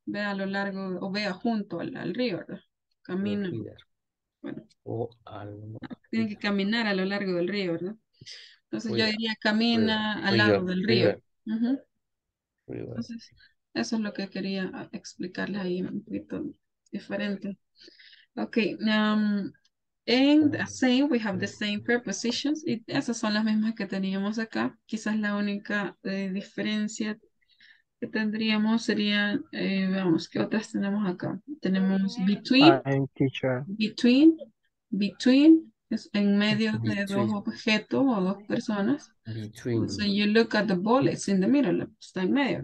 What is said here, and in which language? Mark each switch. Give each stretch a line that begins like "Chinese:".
Spanish: Ve a lo largo o vea junto al río, ¿verdad? Camino. Bueno. Tienen que caminar a lo largo del río, ¿verdad? Entonces yo diría camina al lado del río. Entonces, eso es lo que quería explicarles ahí, un poquito diferente. Ok,
English: In the same, we have the same prepositions.
Spanish: Y esas son las mismas que teníamos acá. Quizás la única diferencia que tendríamos sería, vamos, ¿qué otras tenemos acá? Tenemos between.
English: I'm teacher. Between.
Spanish: Between es en medio de dos objetos o dos personas.
English: Between. So you look at the ball, it's in the middle,
Spanish: está en medio.